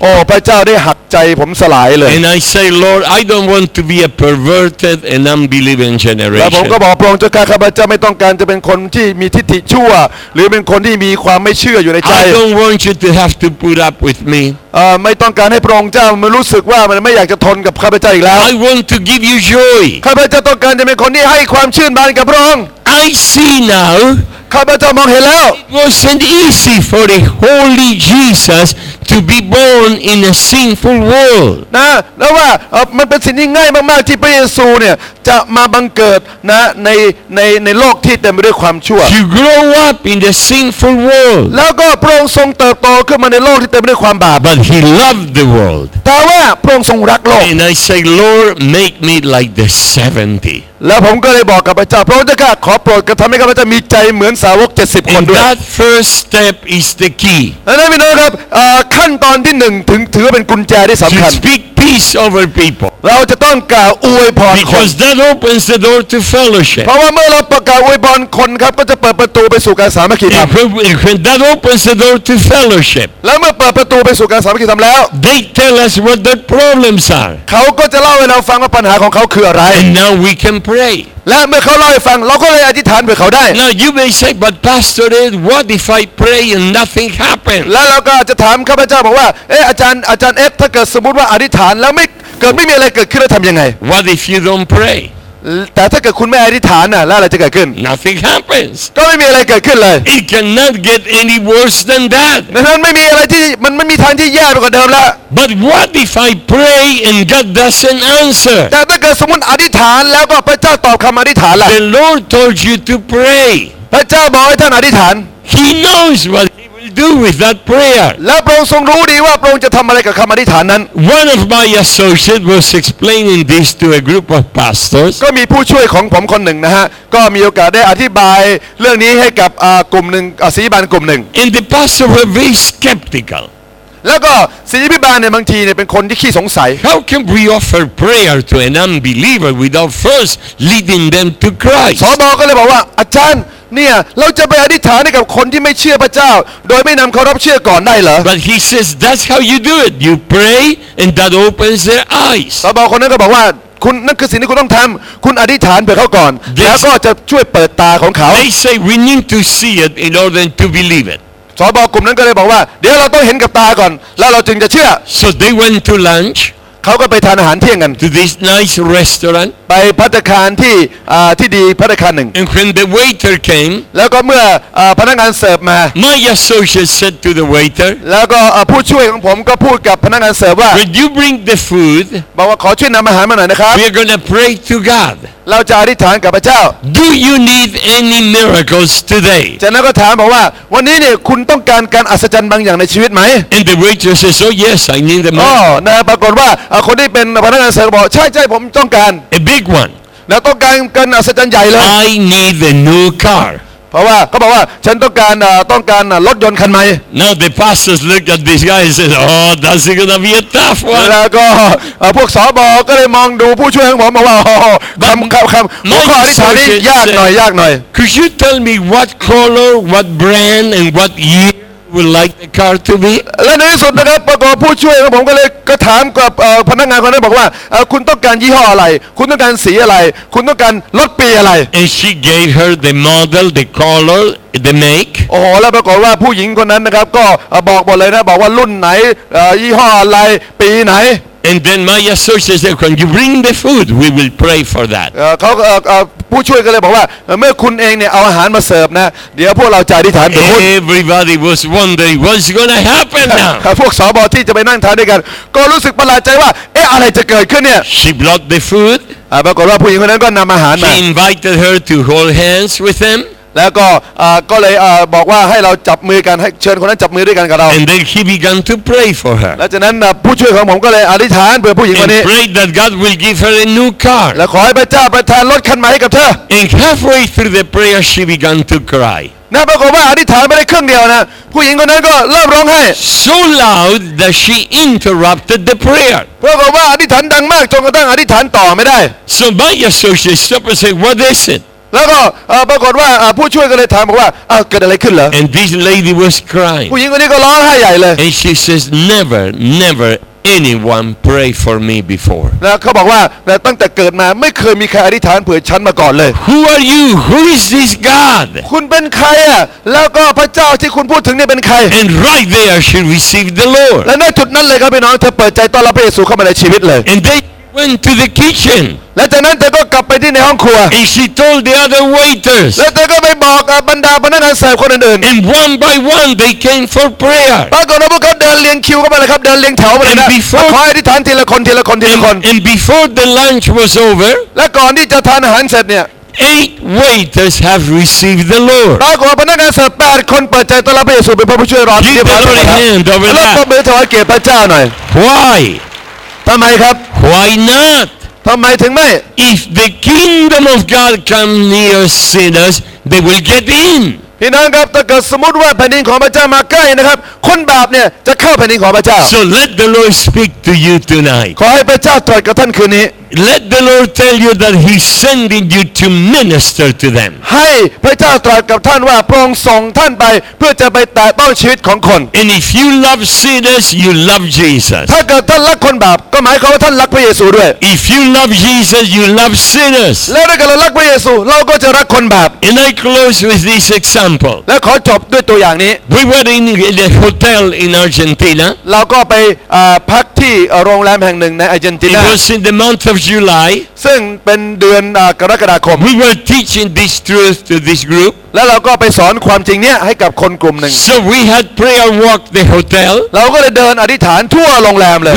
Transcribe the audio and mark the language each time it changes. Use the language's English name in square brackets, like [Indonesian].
[Thai] โอ้พระเจ้าได้หักใจผมสลายเลย [English] And I say Lord I don't want to be a perverted and unbelieving generation [Thai] แล้วผมก็บอกพระองค์เจ้าข้าพเจ้าไม่ต้องการจะเป็นคนที่มีทิฏฐิชั่วหรือเป็นคนที่มีความไม่เชื่ออยู่ในใจ [English] I don't want you to have to put up with me [Thai] ไม่ต้องการให้พระองค์เจ้ามารู้สึกว่ามันไม่อยากจะทนกับข้าพเจ้าอีกแล้ว [English] I want to give you joy [Thai] ข้าพเจ้าต้องการจะเป็นคนที่ให้ความชื่นบานกับพระองค์ [English] I see now [Thai] ข้าพเจ้ามองเห็นแล้ว [English] It wasn't easy for the Holy Jesus to be born in a sinful world [Thai] นะแล้วว่ามันเป็นสิ่งที่ง่ายมากๆที่พระเยซูเนี่ยจะมาบังเกิดนะในโลกที่เต็มไปด้วยความชั่ว [English] You grow up in the sinful world [Thai] แล้วก็พระองค์ทรงเติบโตขึ้นมาในโลกที่เต็มไปด้วยความบาป [English] But he loved the world [Thai] แต่ว่าพระองค์ทรงรักโลก [English] And I say Lord make me like the 70 [Thai] แล้วผมก็เลยบอกกับพระเจ้าพระองค์จะขอโปรดกระทำให้ข้าพเจ้ามีใจเหมือนสาวก70คนด้วย [English] That first step is the key [Thai] นะพี่น้องครับขั้นตอนที่1ถึงถือเป็นกุญแจที่สำคัญ [English] Speak peace over people [Thai] เราจะต้องกล่าวอวยพรคน [English] Because that opens the door to fellowship [Thai] เพราะว่าเมื่อเราประกาศอวยพรคนครับก็จะเปิดประตูไปสู่การสามัคคีธรรม [English] That opens the door to fellowship [Thai] แล้วเมื่อเปิดประตูไปสู่การสามัคคีธรรมแล้ว [English] They tell us what their problems are [Thai] เขาก็จะเล่าให้เราฟังว่าปัญหาของเขาคืออะไร [English] And now we canPray. [Thai] และเมื่อเขาเล่าให้ฟังเราก็เลยอธิษฐานเพื่อเขาได้ [English] Now you may say, but Pastor Ed, what if I pray and nothing happens? [Thai] แล้วเราก็จะถามข้าพเจ้าบอกว่าอาจารย์เอ็ดถ้าเกิดสมมติว่าอธิษฐานแล้วไม่มีอะไรเกิดขึ้นแล้วทำยังไง [English] What if you don't pray? [Thai] แต่ถ้าเกิดคุณไม่อธิษฐานน่ะแล้วอะไรจะเกิดขึ้น [English] Nothing happens [Thai] ก็ไม่มีอะไรเกิดขึ้นเลย [English] It cannot get any worse than that [Thai] นั้นไม่มีอะไรที่มันไม่มีทางที่แย่ไปกว่าเดิมละ [English] But what if I pray and God doesn't answer [Thai] แต่ถ้าเกิดสมมติอธิษฐานแล้วก็พระเจ้าตอบคำอธิษฐานล่ะ [English] The Lord told you to pray [Thai] พระเจ้าบอกให้ท่านอธิษฐาน [English] He knows what he will do with that prayer [Thai] แล้วพระองค์ทรงรู้ดีว่าพระองค์จะทำอะไรกับคำอธิษฐานนั้น [English] One of my associates was explaining this to a group of pastors [Thai] ก็มีผู้ช่วยของผมคนหนึ่งนะฮะก็มีโอกาสได้อธิบายเรื่องนี้ให้กับกลุ่มหนึ่งศิษย์บาลกลุ่มหนึ่ง [English] And the pastor was very skeptical [Thai] แล้วก็ศิษย์พิบาลเนี่ยบางทีเนี่ยเป็นคนที่ขี้สงสัย [English] How can we offer prayer to an unbeliever without first leading them to Christ [Thai] สบอก็เลยบอกว่าอาจารย์ เนี่ยเราจะไปอธิษฐานให้กับคนที่ไม่เชื่อพระเจ้าโดยไม่นำเขารับเชื่อก่อนได้เหรอ [English] But he says that's how you do it you pray and that opens their eyes [Thai] พระบอกคนนั้นก็บอกว่าคุณนั่นคือสิ่งที่คุณต้องทำคุณอธิษฐานไปเขาก่อน [English] they [Thai] แล้วก็จะช่วยเปิดตาของเขา [English] They say we need to see it in order to believe it [Thai] สบกลุ่มนั้นก็เลยบอกว่าเดี๋ยวเราต้องเห็นกับตาก่อนแล้วเราจึงจะเชื่อ [English] So they went to lunch [Thai] เขาก็ไปทานอาหารเที่ยงกัน [English] To this nice restaurant [Thai] ไปภัตตาคารที่ที่ดีภัตตาคารหนึ่ง [English] And when the waiter came [Thai] แล้วก็เมื่อพนักงานเสิร์ฟมา [English] My associate said to the waiter [Thai] แล้วก็ผู้ช่วยของผมก็พูดกับพนักงานเสิร์ฟว่า [English] Will you bring the food [Thai] บอกว่าขอช่วยนำอาหารมาหน่อยนะครับ [English] We are going to pray to God [Thai] เราจะอธิษฐานกับพระเจ้า [English] Do you need any miracles today [Thai] จากนั้นก็ถามบอกว่าวันนี้เนี่ยคุณต้องการการอัศจรรย์บางอย่างในชีวิตไหม [English] And the waiter says oh yes I need them [Thai] all นะปรากฏว่าคนที่เป็นพนักงานเสิร์ฟบอกใช่ๆผมต้องการ [English] A big one [Thai] แล้วต้องการกันอัศจรรย์ใหญ่เลย [English] I need the new car [Thai] เพราะว่าเขาบอกว่าฉันต้องการรถยนต์คันใหม่ [English] Now the pastors look at this guy and says oh that's gonna be a tough one [Thai] แล้วก็พวกสบก็เลยมองดูผู้ช่วยของผมบอกว่าคำข้ออธิษฐานนี้ยากหน่อย [English] Could you tell me what color what brand and what yearWould like the car to be. [Thai] และในที่สุดนะครับประกอบผู้ช่วยของผมก็เลยก็ถามกับพนักงานคนนั้นบอกว่าคุณต้องการยี่ห้ออะไรคุณต้องการสีอะไรคุณต้องการรถปีอะไร [English] And she gave her the model, the color, the make. [Thai] โอ้แล้วประกอบว่าผู้หญิงคนนั้นนะครับก็บอกหมดเลยนะบอกว่ารุ่นไหนยี่ห้ออะไรปีไหน [English] And then my associate said, "Can you bring the food? We will pray for that." [Thai] ผู้ช่วยก็เลยบอกว่าเมื่อคุณเองเนี่ยเอาอาหารมาเสิร์ฟนะเดี๋ยวพวกเราจะอธิษฐาน เป็นคน [English] Everybody was wondering what's going to happen now [Thai] พวกสบที่จะไปนั่งทานด้วยกันก็รู้สึกประหลาดใจว่าเอ๊ะอะไรจะเกิดขึ้นเนี่ย [English] She brought the food [Thai] ปรากฏว่าผู้หญิงคนนั้นก็นำอาหารมา [English] She invited her to hold hands with them [Thai] แล้วก็ก็เลยบอกว่าให้เราจับมือกันให้เชิญคนนั้นจับมือด้วยกันกับเรา [English] And then he began to pray for her [Thai] และจากนั้นผู้ช่วยของผมก็เลยอธิษฐานเพื่อผู้หญิงคนนี้ [English] And pray that God will give her a new car [Thai] และขอให้พระเจ้าประทานรถคันใหม่ให้กับเธอ [English] And halfway through the prayer she began to cry [Thai] นั่นปรากฏว่าอธิษฐานไปได้ครึ่งเดียวนะผู้หญิงคนนั้นก็เริ่มร้องไห้ [English] So loud that she interrupted the prayer [Thai] ปรากฏว่าอธิษฐานดังมากจนกระทั่งอธิษฐานต่อไม่ได้ [English] So my associate stopped and said what is it [Thai] แล้วก็ปรากฏว่าผู้ช่วยก็เลยถามบอกว่าเกิดอะไรขึ้นเหรอ [English] And this lady was crying [Thai] ผู้หญิงคนนี้ก็ร้องไห้ใหญ่เลย [English] And she says never never anyone pray for me before [Thai] แล้วเขาบอกว่าตั้งแต่เกิดมาไม่เคยมีใครอธิษฐานเผื่อฉันมาก่อนเลย [English] Who are you Who is this God [Thai] คุณเป็นใครอ่ะแล้วก็พระเจ้าที่คุณพูดถึงเนี่ยเป็นใคร [English] And right there she received the Lord [Thai] และในจุดนั้นเลยครับพี่น้องเธอเปิดใจต้อนรับพระเยซูเข้ามาในชีวิตเลย [English] And theyWent to the kitchen. [Thai] และจากนั้นเธอก็กลับไปที่ในห้องครัว [English] And she told the other waiters. [Thai] และเธอก็ไปบอกบรรดาพนักงานเสิร์ฟคนอื่น [English] And one by one they came for prayer. [Thai] ปรากฏว่าพวกเขาเดินเรียงคิวเข้ามาเลยครับเดินเรียงแถวมาเลยนะ [English] And before [Thai] ขออธิษฐานทีละคนทีละคนทีละคน [English] And before the lunch was over. [Thai] และก่อนที่จะทานอาหารเสร็จเนี่ย [English] 8 waiters have received the Lord. [Thai] ปรากฏว่าพนักงานเสิร์ฟ8คนเปิดใจต้อนรับพระเยซูเป็นพระผู้ช่วยรอดที่ เ ดีย ว กัน แล้วก็เบิดถวายเกียรติพระเจ้าหน่อย [English] Why? [Thai] ทำไมครับ [English] Why not [Thai] ทำไมถึงไม่ [English] If the kingdom of God come near sinners they will get in [Thai] พี่น้องครับถ้าเกิดสมมติว่าแผ่นดินของพระเจ้ามาใกล้นะครับคนบาปเนี่ยจะเข้าแผ่นดินของพระเจ้า [English] So let the Lord speak to you tonight [Thai] ขอให้พระเจ้าตรัสกับท่านคืนนี้ [English] Let the Lord tell you that He's sending you to minister to them [Thai] ให้พระเจ้าตรัสกับท่านว่าพระองค์ส่งท่านไปเพื่อจะไปแตะต้องชีวิตของคน [English] And if you love sinners you love Jesus [Thai] ถ้าเกิดท่านรักคนบาปก็หมายความว่าท่านรักพระเยซูด้วย [English] If you love Jesus you love sinners [Thai] แล้วถ้าเกิดเรารักพระเยซูเราก็จะรักคนบาป [English] And I close with this example [Thai] และขอจบด้วยตัวอย่างนี้ [English] We were in the hotel in Argentina [Thai] เราก็ไปพักที่โรงแรมแห่งหนึ่งในอาร์เจนตินา [English] It was in the month of July [Thai] ซึ่งเป็นเดือนกรกฎาคม [English] We were teaching this truth to this group [Thai] แล้วเราก็ไปสอนความจริงเนี้ยให้กับคนกลุ่มหนึ่ง [English] So we had prayer walk the hotel [Thai] เราก็เลยเดินอธิษฐานทั่วโรงแรมเลย